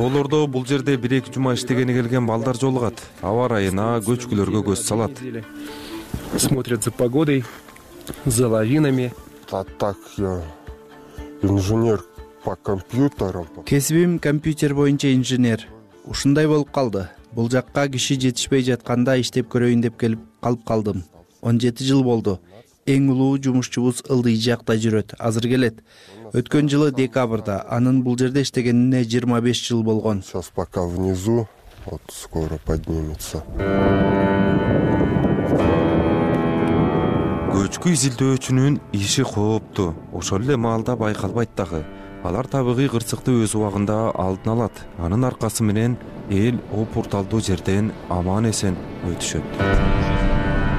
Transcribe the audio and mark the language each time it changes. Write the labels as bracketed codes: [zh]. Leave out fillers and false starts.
[ky] Олордо бул жерде 1-2 жума иштегени келген балдар жолугат. Аба ырайына, көчкүлөргө көз салат. [ru] Смотрят за погодой, за лавинами. Так я инженер по компьютерам. [ky] Кесибим компьютер боюнча инженер. Ушундай болуп калды. Бул жакка киши жетишпей жатканда иштеп көрөйүн деп келип калып калдым. 17 жыл болду. Эң улуу жумушчубуз ылдый жакта жүрөт, азыр келет. Өткөн жылы декабрда анын бул жерде иштегенине 25 жыл болгон. [ru] Сейчас пока внизу, вот скоро поднимется. [ky] Көчкү изилдөөчүнүн иши кооптуу. Ошол эле маалда байкалбайт дагы. Алар табигый кырсыкты өз убагында алдын алат. Анын аркасы менен эл опурталдуу жерден аман эсен өтүшөт.